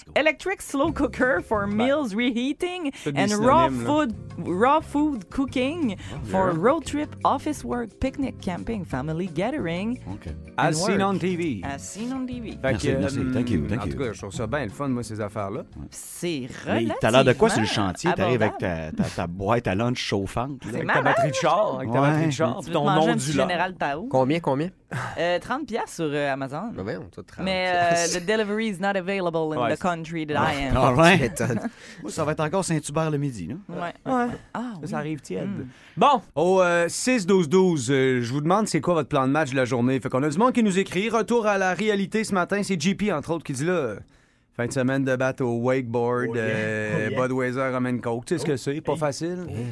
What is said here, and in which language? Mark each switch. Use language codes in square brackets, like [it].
[en] Electric slow cooker for meals reheating. And raw food cooking for road trip, office work, picnic, camping, family gathering. As seen on TV. [fr] Merci. [en] Thank you. [fr] En tout cas, je trouve ça bien le fun, moi, ces affaires-là. C'est relativement. T'as l'air de quoi sur le chantier? T'arrives avec ta boîte à lunch chauffante, là. Avec ta batterie de char, Tu veux te manger un petit général Tao? Combien? 30$ sur Amazon. Ben oui, on t'a 30$. [en] Mais the delivery is not available in the country that I am. All right. [fr] Ça va être encore Saint-Hubert le midi, non? Ça arrive tiède. Bon, au 6-12-12, je vous demande c'est quoi votre plan de match de la journée. Fait qu'on a du monde qui nous écrit. Retour à la réalité ce matin, c'est JP entre autres qui dit là... Fin de semaine de battre au wakeboard, Budweiser, [en] rum and coke. [fr] Tu sais ce que c'est? Pas facile. Mmh.